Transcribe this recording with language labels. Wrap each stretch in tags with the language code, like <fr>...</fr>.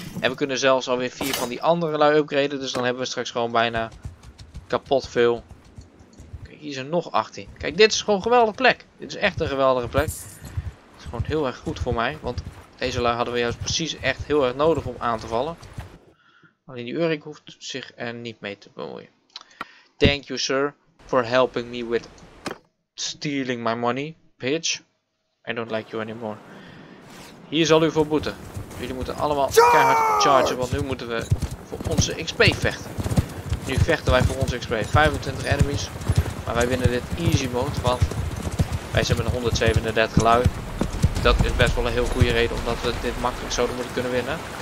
<nl>En we kunnen zelfs alweer 4 van die andere lui upgraden. Dus dan hebben we straks gewoon bijna kapot veel. Kijk, hier zijn nog 18. Kijk, dit is gewoon een geweldige plek. Dit is echt een geweldige plek. Het is gewoon heel erg goed voor mij. Want deze lui hadden we juist precies echt heel erg nodig om aan te vallen. Alleen die Urik hoeft zich er niet mee te bemoeien.</nl> <en>Thank you, sir, for helping me with stealing my money, bitch. I don't like you anymore.</en> <nl>Hier zal u voor boeten. Jullie moeten allemaal keihard chargen, want nu moeten we voor onze XP vechten. Nu vechten wij voor onze XP. 25 enemies. Maar wij winnen dit easy mode, want wij zijn met 137 lui. Dat is best wel een heel goede reden, omdat we dit makkelijk zouden moeten kunnen winnen.</nl>